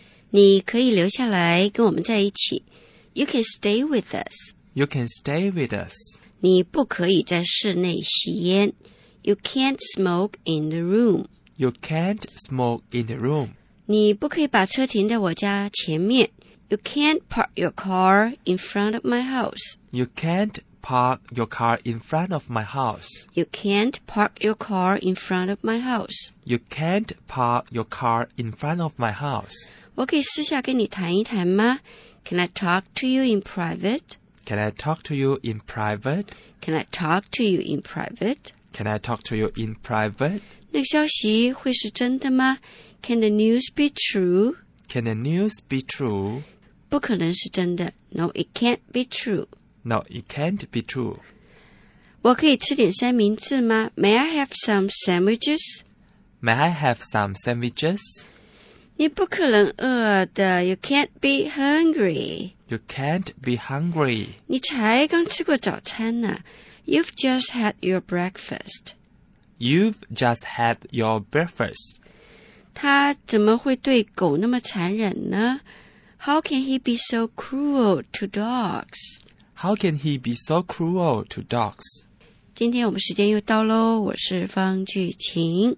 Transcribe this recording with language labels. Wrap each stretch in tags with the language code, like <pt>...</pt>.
<zh>你可以留下来跟我们在一起。</zh> <en>You can stay with us. You can stay with us.</en> <zh>你不可以在室内吸烟。</zh> <en>You can't smoke in the room. You can't smoke in the room.</en> <zh>你不可以把车停在我家前面。</zh> <en>You can't park your car in front of my house. You can't park your car in front of my house. You can't park your car in front of my house. You can't park your car in front of my house.</en> <zh>我可以私下跟你谈一谈吗?</zh> <en>Can I talk to you in private? Can I talk to you in private? Can I talk to you in private? Can I talk to you in private?</en> <zh>那个消息会是真的吗?</zh> <en>Can the news be true? Can the news be true?</en> <zh>不可能是真的。</zh> <en>No, it can't be true. No, it can't be true.</en> <zh>我可以吃点三明治吗?</zh> <en>May I have some sandwiches? May I have some sandwiches?</en> <zh>你不可能饿的,</zh> <en>you can't be hungry. You can't be hungry.</en> <zh>你才刚吃过早餐呢,</zh> <en>you've just had your breakfast. You've just had your breakfast.</en> <zh>他怎么会对狗那么残忍呢?</zh> <en>How can he be so cruel to dogs? How can he be so cruel to dogs?</en> <zh>今天我们时间又到咯，我是方巨晴，</zh>